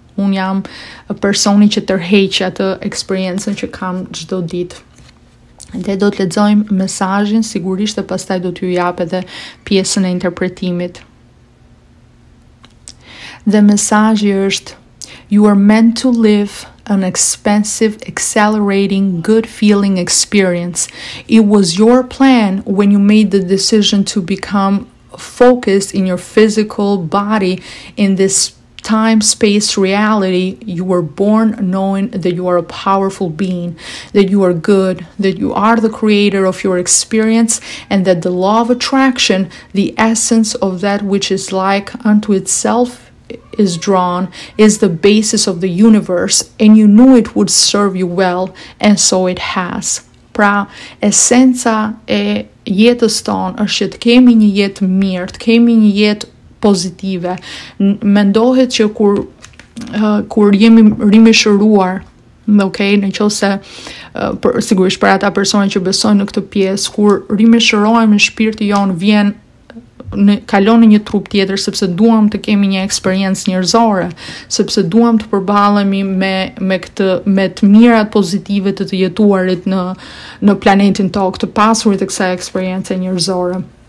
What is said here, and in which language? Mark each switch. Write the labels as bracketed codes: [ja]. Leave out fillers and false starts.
[sq] Un jam personi që tërheq atë eksperiencën që kam çdo ditë. Dhe do të lexojmë mesazhin sigurisht dhe pastaj do t'ju jap edhe pjesën e interpretimit. [en] The message is, you are meant to live an expansive, accelerating, good-feeling experience. It was your plan when you made the decision to become focused in your physical body in this time-space reality. You were born knowing that you are a powerful being, that you are good, that you are the creator of your experience, and that the law of attraction, the essence of that which is like unto itself, is drawn, is the basis of the universe, and you knew it would serve you well, and so it has. [sq] Pra, esenca e jetës tonë është që të kemi një jetë mirë, të kemi një jetë pozitive. Mendohet që kur jemi rimishëruar, okay, në qo se, sigurisht për ata personë që besojnë në këtë pjesë, kur rimishërojmë në shpirti jonë, vjenë, kalon në një trup tjetër sepse duam të kemi një eksperiencë njerëzore, sepse duam të përballemi me të mirat pozitive të jetuarit në planetin tokë, të pasurit të kësaj eksperiencë njerëzore.